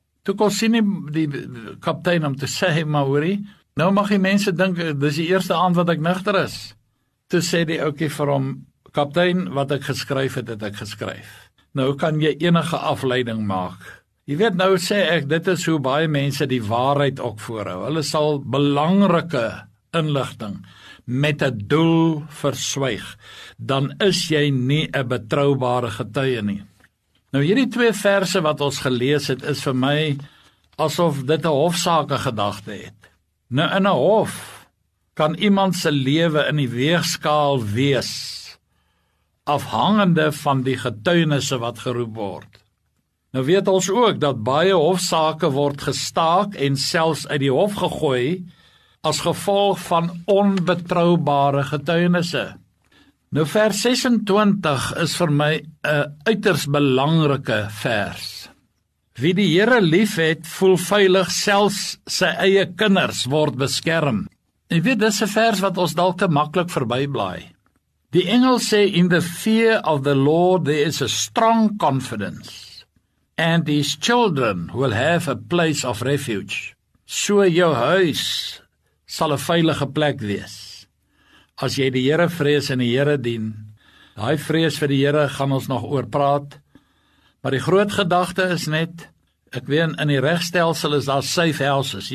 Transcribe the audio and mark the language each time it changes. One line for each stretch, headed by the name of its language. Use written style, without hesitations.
Afrikaans: Toe kon sien die kaptein om te sê, maar hoorie, nou mag die mense dink, dis die eerste aand wat ek nugter is. Toe sê die oukie vir hom, kaptein, wat ek geskryf het, het ek geskryf. Nou kan jy enige afleiding maak. Jy weet, nou sê ek, dit is hoe baie mense die waarheid ook voorhou. Hulle sal belangrike inligting met het doel verswyg. Dan is jy nie 'n betroubare getuie nie. Nou, hierdie twee verse wat ons gelees het, is vir my asof dit 'n hofsaak gedagte het. Nou, in 'n hof kan iemand se lewe in die weegskaal wees, afhangende van die getuienisse wat geroep word. Nou weet ons ook dat baie hofsaake word gestaak en selfs uit die hof gegooi as gevolg van onbetroubare getuienisse. Nou vers 26 is vir my 'n uiters belangrike vers. Wie die Here liefhet, voel veilig, selfs sy eie kinders word beskerm. En weet, dis 'n vers wat ons dalk te maklik verbyblaai. Die engel sê,
English: in the fear of the Lord there is a strong confidence, and his children will have a place of refuge.
Afrikaans: So jou huis sal 'n veilige plek wees. As jy die Here vrees en die Here dien, daai vrees vir die Here gaan ons nog oor praat, maar die groot gedagte is net, ek weet, in die regstelsel is daar safe houses.